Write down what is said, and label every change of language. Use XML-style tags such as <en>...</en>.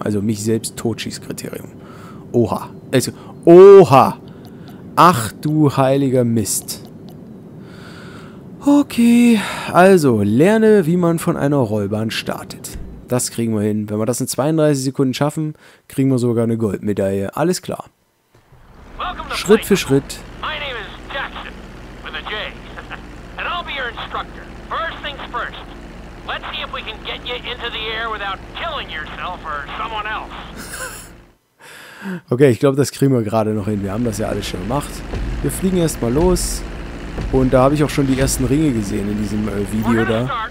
<de>Also mich selbst Totschießkriterium. Oha. Also, oha. Ach du heiliger Mist. Okay, also lerne, wie man von einer Rollbahn startet. Das kriegen wir hin. Wenn wir das in 32 Sekunden schaffen, kriegen wir sogar eine Goldmedaille. Alles klar. Schritt für Schritt.</de> <en>My name is Jackson, with a J. And I'll be your instructor. First things first. Let's see if we can get you into the air without killing yourself or someone else.</en> <de>Okay, ich glaube, das kriegen wir gerade noch hin. Wir haben das ja alles schon gemacht. Wir fliegen erstmal los. Und da habe ich auch schon die ersten Ringe gesehen in diesem Video da.</de>